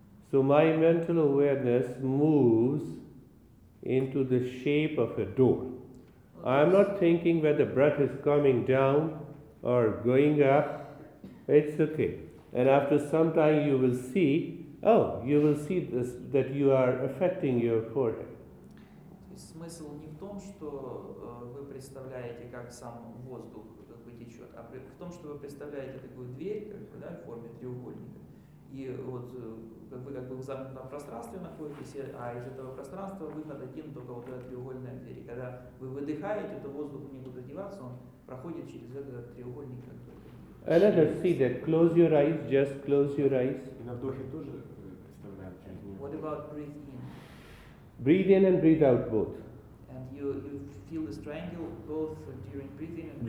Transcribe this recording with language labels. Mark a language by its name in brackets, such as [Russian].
[English] So my mental awareness moves into the shape of a door. I am not thinking whether the breath is coming down or going up. It's okay. And after some time you will see, oh, you will see this, that you are affecting your forehead. [Russian] Смысл не в том, что вы представляете, как сам воздух как бы течет, а в том, что вы представляете такую дверь, как бы, да, в форме треугольника. И вот вы как бы в замкнутом пространстве находитесь, а из этого пространства выход один только вот эта треугольная дверь. И когда вы выдыхаете, то воздух не будет одеваться, он проходит через этот треугольник. Как бы. [English] And let us see that. Close your eyes, just close your eyes. [Russian] И на вдохе тоже представляем. [English] What about breathing? Breathe in and breathe out both. And you feel this triangle both during breathing and